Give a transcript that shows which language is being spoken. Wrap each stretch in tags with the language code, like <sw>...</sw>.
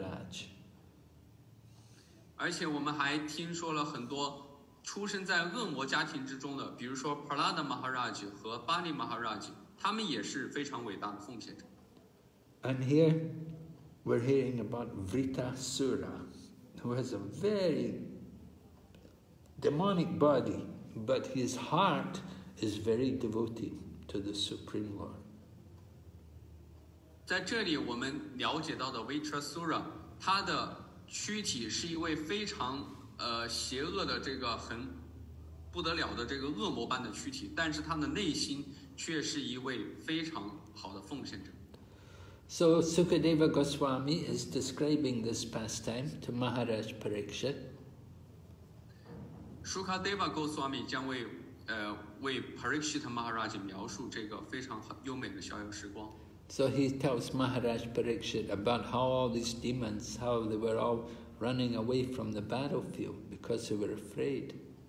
<en>And we also heard many people who were born in the evil family, like Prahlad Maharaj and Bali Maharaj, they are also a great devotee. And here, we're hearing about Vritasura, who has a very demonic body, but his heart is very devoted to the Supreme Lord.</en> <zh>在这里我们了解到的 Vritasura, 他的躯体是一位非常邪恶的这个很不得了的这个恶魔般的躯体，但是他的内心却是一位非常好的奉献者。</zh> <en>So Sukadeva Goswami is describing this pastime to Maharaj Parikshit.</en> <zh>Sukadeva Goswami 将为为 Parikshit Maharaj 描述这个非常优美的逍遥时光。</zh> <en>So he tells Maharaj Parikshit about how all these demons, how they were all running away from the battlefield because they were afraid.</en>